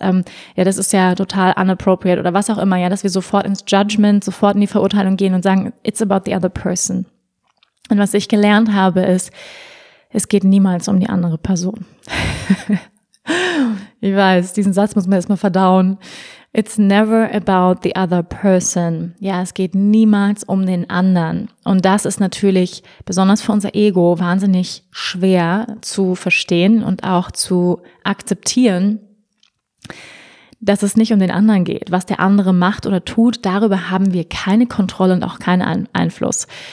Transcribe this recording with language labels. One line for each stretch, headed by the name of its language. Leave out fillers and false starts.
German: Ja, das ist ja total inappropriate oder was auch immer. Ja, dass wir sofort ins Judgment, sofort in die Verurteilung gehen und sagen,
English: it's about the other person.
German: Und was ich gelernt habe, ist, es geht niemals um die andere Person. Ich weiß, diesen Satz muss man erstmal verdauen.
English: It's never about the other person.
German: Ja, es geht niemals um den anderen. Und das ist natürlich besonders für unser Ego wahnsinnig schwer zu verstehen und auch zu akzeptieren, dass es nicht um den anderen geht. Was der andere macht oder tut, darüber haben wir keine Kontrolle und auch keinen Einfluss.